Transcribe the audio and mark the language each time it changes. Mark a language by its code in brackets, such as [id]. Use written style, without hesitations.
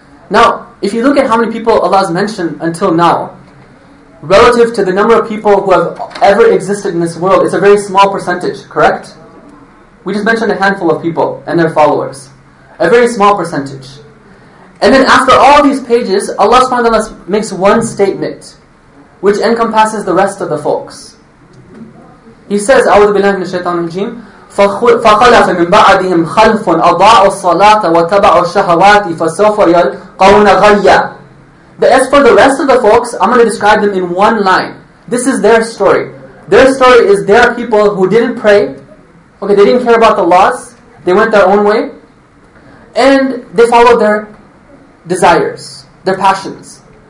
[en] Now, if you look at how many people Allah has mentioned until now, relative to the number of people who have ever existed in this world, it's a very small percentage, correct? We just mentioned a handful of people and their followers. A very small percentage. And then after all these pages, Allah subhanahu wa ta'ala makes one statement. which encompasses the rest of the folks. He says, [ar] أعوذ بالله من الشيطان الرجيم فخلف من بعدهم خلف أضاعوا الصلاة وتبعوا الشهوات فسوف يلقون غيا. [en] As for the rest of the folks, I'm going to describe them in one line. This is their story. Their story is there are people who didn't pray. Okay, they didn't care about the laws. They went their own way. And they followed their desires, their passions.